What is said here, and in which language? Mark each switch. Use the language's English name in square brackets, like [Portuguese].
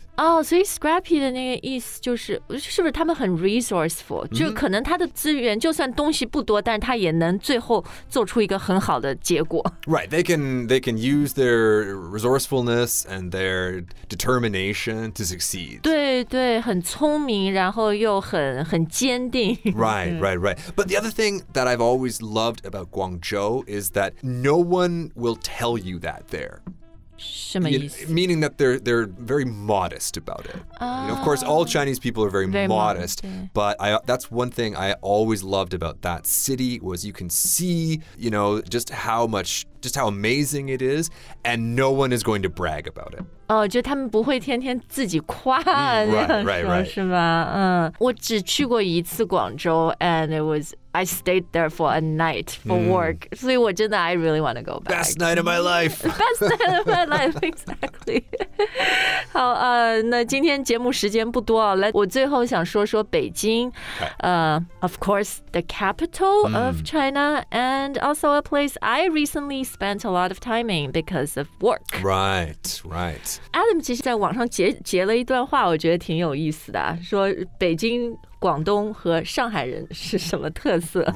[Chinese] Oh, so scrappy 的那个意思就是是不是他们很 resourceful、mm-hmm. 就可能他的资源就算东西不多但他也能最后做出一个很好的结果 [English] Right, they can use their resourcefulness and their determination to succeed [Chinese] 对对很聪明然后又很坚定 [English] Right, right, right But the other thing that I've always loved about Guangzhou is that no one will tell you that there [Chinese] 什么意思? [English] Meaning that they're very modest about it.、 You know, of course, all Chinese people are very modest, but that's one thing I always loved about that city was you can see, you know, just how amazing it is, and no one is going to brag about it. [Chinese] Oh, 就他们不会天天自己夸 [English] right. [Chinese] 是吧？我只去过一次广州 [English] and I stayed there for a night for work. [Chinese] 所以我真的 [English] I really want to go back. Best night of my life. Best night of my life, exactly. [Chinese] 好，那今天节目时间不多啊，我最后想说说北京。 [English] Of course, the capital of China, and also a place I recently spent a lot of time in because of work. Right, right. [Chinese] Adam 其实在网上截了一段话，我觉得挺有意思的，说北京。广东和上海人是什么特色